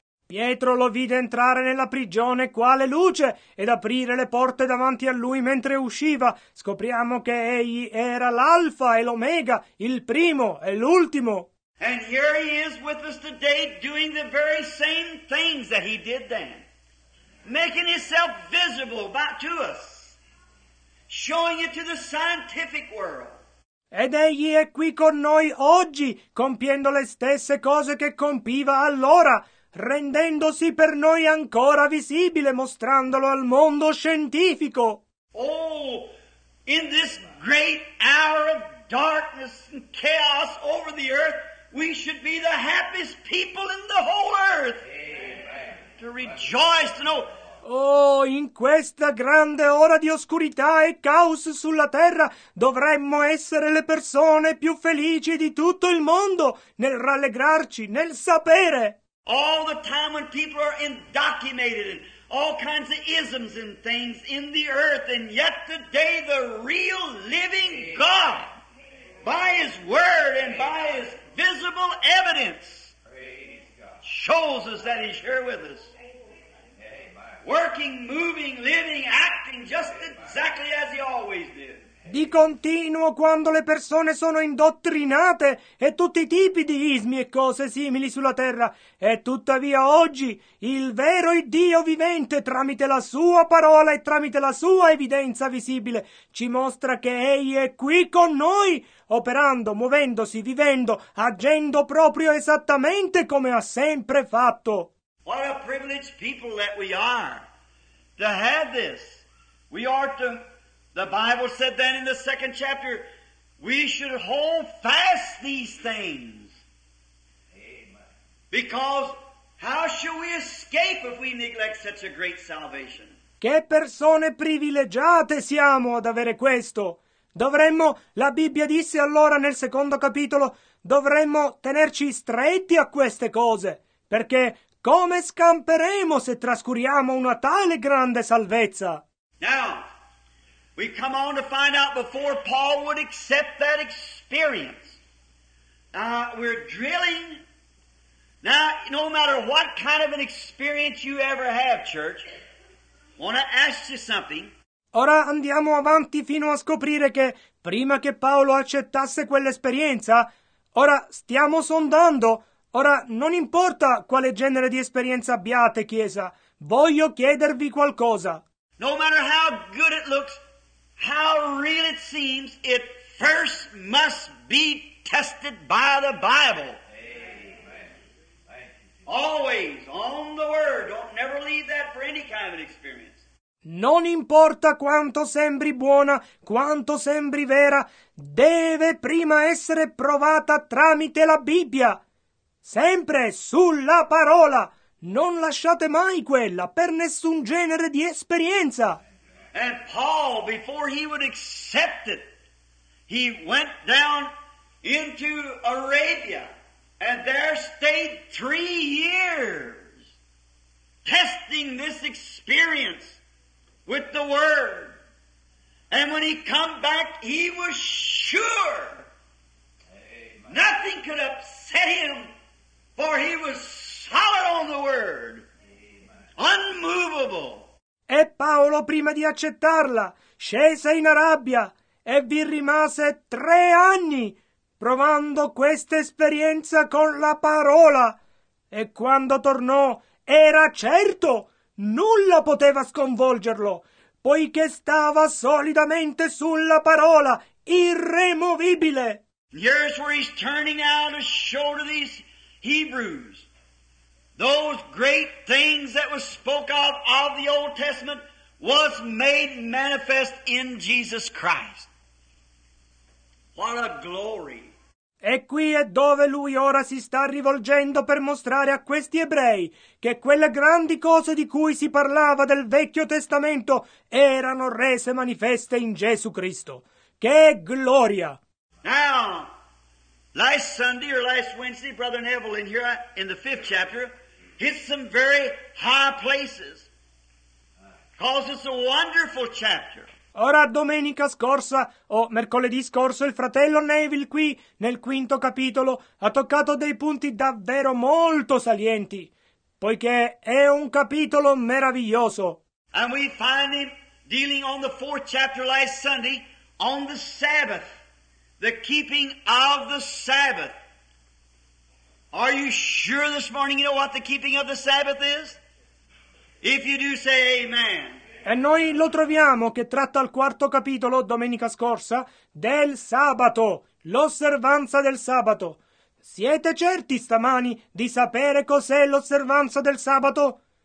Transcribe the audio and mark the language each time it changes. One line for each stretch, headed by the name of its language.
Italian: Pietro lo vide entrare nella prigione quale luce ed aprire le porte davanti a lui mentre usciva. Scopriamo che egli era l'Alfa e l'Omega, il primo e l'ultimo.
English: And here he is with us today doing the very same things that he did then. Making himself visible back to us. Showing it to the scientific world.
Italian: Ed egli è qui con noi oggi, compiendo le stesse cose che compiva allora, rendendosi per noi ancora visibile, mostrandolo al mondo scientifico.
English: Oh, in this great hour of darkness and chaos over the earth, we should be the happiest people in the whole earth. Amen. To rejoice, to know.
Italian: Oh, in questa grande ora di oscurità e caos sulla terra, dovremmo essere le persone più felici di tutto il mondo nel rallegrarci, nel sapere.
English: All the time when people are indoctrinated and all kinds of isms and things in the earth, and yet today the real living God, by His word and by His visible evidence, shows us that He's here with us. Working, moving, living, acting just exactly as He always did.
Italian: Di continuo, quando le persone sono indottrinate e tutti i tipi di ismi e cose simili sulla terra, e tuttavia oggi il vero Dio vivente, tramite la Sua parola e tramite la Sua evidenza visibile, ci mostra che Egli è qui con noi, operando, muovendosi, vivendo, agendo proprio esattamente come ha sempre fatto.
English: What a privileged people that we are to have this. We are to... The Bible said then in the second chapter, we should hold fast these things. Amen. Because how shall we escape if we neglect such a great salvation?
Italian: Che persone privilegiate siamo ad avere questo. Dovremmo, la Bibbia disse allora nel secondo capitolo, dovremmo tenerci stretti a queste cose. Perché come scamperemo se trascuriamo una tale grande salvezza?
English: Now, we come on to find out before Paul would accept that experience. We're drilling. Now, no matter what kind of an experience you ever have, church, I want to ask you something.
Italian: Ora andiamo avanti fino a scoprire che prima che Paolo accettasse quell'esperienza, ora stiamo sondando. Ora, non importa quale genere di esperienza abbiate, Chiesa, voglio chiedervi qualcosa.
English: No matter how good it looks, how real it seems, it first must be tested by the Bible. Amen. Always on the Word. Don't never leave that for any kind of experience.
Italian: Non importa quanto sembri buona, quanto sembri vera, deve prima essere provata tramite la Bibbia. Sempre sulla parola. Non lasciate mai quella per nessun genere di esperienza.
English: And Paul, before he would accept it, he went down into Arabia and there stayed 3 years testing this experience with the Word. And when he come back, he was sure. Amen. Nothing could upset him, for he was solid on the Word. Amen. Unmovable.
Italian: E Paolo, prima di accettarla, scese in Arabia e vi rimase 3 anni provando questa esperienza con la parola. E quando tornò, era certo, nulla poteva sconvolgerlo, poiché stava solidamente sulla parola, irremovibile.
English: Here's where he's turning out to show to these Hebrews. Those great things that was spoke of the Old Testament was made manifest in Jesus Christ. What a glory!
Italian: E qui è dove lui ora si sta rivolgendo per mostrare a questi ebrei che quelle grandi cose di cui si parlava del Vecchio Testamento erano rese manifeste in Gesù Cristo. Che gloria!
English: Now, last Sunday or last Wednesday, Brother Neville in here in the fifth chapter hit some very high places. Because it's a wonderful chapter.
Italian: Ora, domenica scorsa, o mercoledì scorso, il fratello Neville qui, nel quinto capitolo, ha toccato dei punti davvero molto salienti, poiché è un capitolo meraviglioso.
English: And we find him dealing on the fourth chapter last Sunday on the Sabbath, the keeping of the Sabbath. Are you sure this morning you know what the keeping of the Sabbath is? If you do, say amen.
Italian: E noi lo troviamo che tratta il quarto capitolo, domenica scorsa, del sabato, l'osservanza del sabato. Siete certi stamani di sapere cos'è l'osservanza del sabato?